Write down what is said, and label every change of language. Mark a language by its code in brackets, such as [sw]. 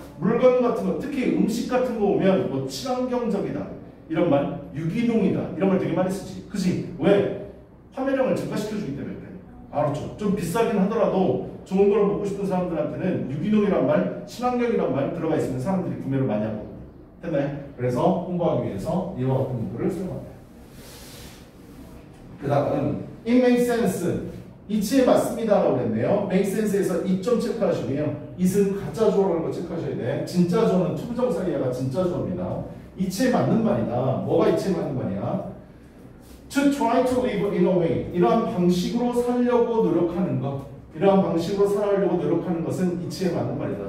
[ko] 물건 같은 거, 특히 음식 같은 거 오면 뭐 친환경적이다, 이런 말, 유기농이다, 이런 말 되게 많이 쓰지. 그지? 왜? 판매량을 증가시켜주기 때문에. 알았죠. 좀 비싸긴 하더라도 좋은 걸 먹고 싶은 사람들한테는 유기농이란 말, 친환경이란 말 들어가 있으면 사람들이 구매를 많이 하고. 됐나요? 그래서 홍보하기 위해서 이와 같은 문구를 사용합니다. 그 다음은 [en] It makes sense. [ko] 이치에 맞습니다 라고 했네요. Make sense에서 이점 체크하시고요. It은 가짜 조어라는 거 체크하셔야 돼. 진짜 조어는 투부정사의 야가 진짜 조어입니다. 이치에 맞는 말이다. 뭐가 이치에 맞는 말이야? [en] To try to live in a way. [ko] 이러한 방식으로 살려고 노력하는 것. 이러한 방식으로 살려고 노력하는 것은 이치에 맞는 말이다.